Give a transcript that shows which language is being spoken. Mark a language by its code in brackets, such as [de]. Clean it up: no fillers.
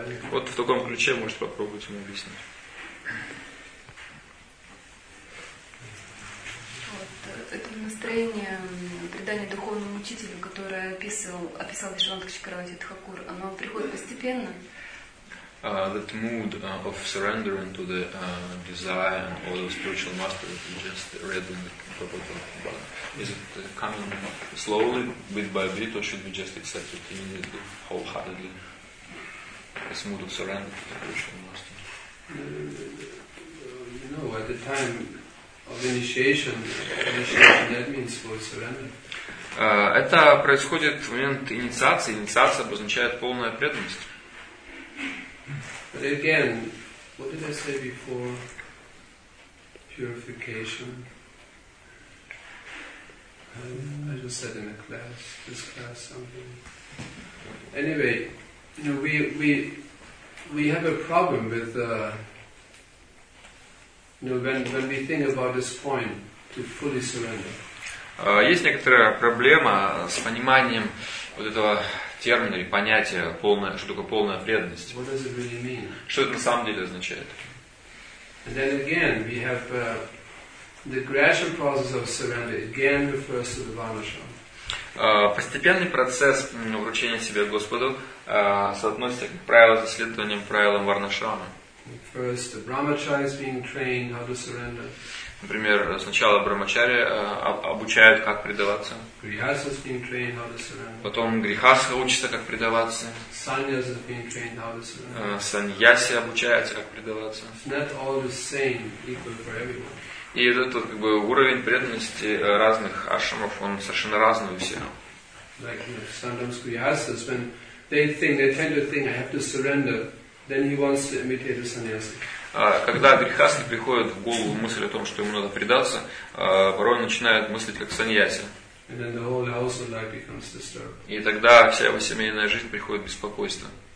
[ru] Вот в таком ключе можете попробовать ему объяснить. Это настроение предания духовному учителю, которое описал Вишванта Чакраварти Тхакур, оно приходит постепенно. [en] That mood of surrendering to the desire and all the spiritual master that you just read in the Prabhupada, is it coming slowly, bit by bit, or should we just accept it immediately, wholeheartedly, this mood of surrender to the spiritual master? Yeah, You know, at the time of initiation, that means full surrender. [ru] Это происходит в момент инициации. Инициация обозначает полную преданность. [en] Again, what did I say before? Purification. I just said in a class, this class something. Anyway, you know, we have a problem with when we think about this point to fully surrender. [ru] Есть некоторая проблема с пониманием вот этого термина или понятия, полная, что такое полная преданность. [en] What does it really mean? [ru] Что это на самом деле означает? [en] And then again, we have the gradual process of surrender again refers to the Varnasham. [ru] Постепенный процесс вручения себя Господу соотносится, как правило, с исследованием правилам Варнашрама. [en] First, the Brahmacharya is being trained how to surrender. [ru] Например, сначала брахмачари обучают, как предаваться. [en] Grihasthas being trained how to surrender. [ru] Потом грихасха учится, как предаваться. [en] Sannyas is being trained how to surrender. [ru] Саньяси обучается, как предаваться. [en] It's not all the same, equal for everyone. [ru] И этот как бы, уровень преданности разных ашрамов, он совершенно разный у всех. [en] Like, you know, sometimes grihasthas, when they tend to think, I have to surrender, then he wants to imitate the sannyasi. [ru] Когда грехасты приходят в голову мысль о том, что ему надо предаться, порой начинают мыслить как саньяси. И тогда вся его семейная жизнь приходит в беспокойство.